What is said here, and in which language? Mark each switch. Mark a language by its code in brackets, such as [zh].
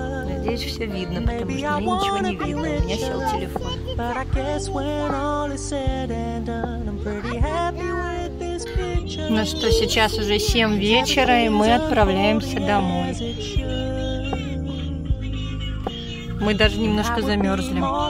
[ru] Надеюсь, все видно, потому что мне ничего не видно. У меня сел телефон. [en] But I guess when all is said and done, I'm pretty happy with this picture. [ru] Ну что, сейчас уже 7 вечера, и мы отправляемся домой. Мы даже немножко замерзли.